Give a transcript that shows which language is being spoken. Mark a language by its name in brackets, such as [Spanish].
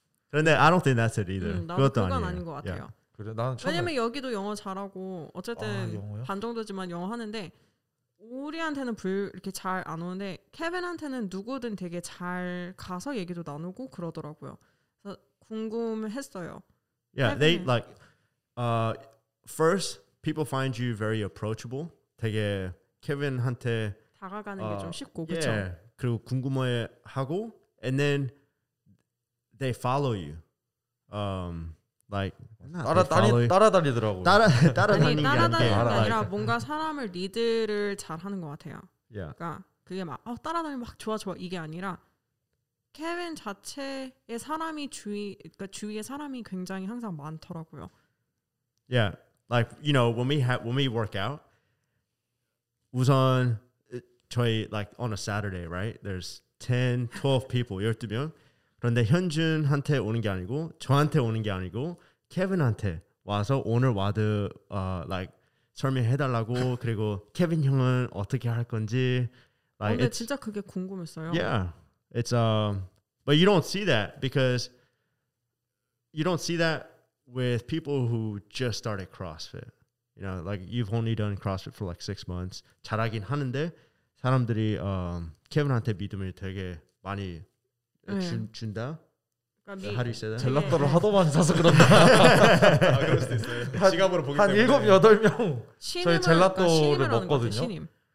[English] 그런데 I don't think that's it either. 그것도 [Korean] 그건 아니에요. 아닌 것 같아요. [English] Yeah. [Korean] 그래, 나는 처음에 왜냐면 여기도 영어 잘하고 어쨌든 아, 반 정도지만 영어 하는데 우리한테는 이렇게 잘 안 오는데 케빈한테는 누구든 되게 잘 가서 얘기도 나누고 그러더라고요. 그래서 궁금했어요. [English] Yeah, 케빈. they like first people find you very approachable. [Korean] 되게 케빈한테 다가가는 게 좀 쉽고 그렇죠. [English] Yeah, [Korean] 그리고 궁금해하고 [English] and then they follow you. Like [Korean] 따라다니더라고 따라다니는 아니, 게 아니라 뭔가 사람을 리드를 잘하는 것 같아요. [English] Yeah. [Korean] 그러니까 그게 막 어, 따라다니 막 좋아 이게 아니라 케빈 자체의 사람이 주위 그러니까 주위에 사람이 굉장히 항상 많더라고요. [English] Yeah, like you know when we work out, [Korean] 우선 저희 [English] like on a Saturday, right? There's 10, 12 people, 12명. [Korean] 그런데 현준한테 오는 게 아니고 저한테 오는 게 아니고 케빈한테 와서 오늘 와드 like 설명해달라고 그리고 케빈 형은 어떻게 할 건지 like 근데 진짜 그게 궁금했어요. [English] Yeah, it's but you don't see that because you don't see that with people who just started CrossFit. you know, like you've only done CrossFit for like 6 months. [Korean] 잘하긴 하는데 사람들이 케빈한테 믿음을 되게 많이 준다. [English] How do you say that? [Korean] 전락도를 하도 많이 사서 그런다. 아, 그럴 수도 있어요. 지갑으로 보기 때문에. 한 7-8명 저희 젤라또를 먹거든요.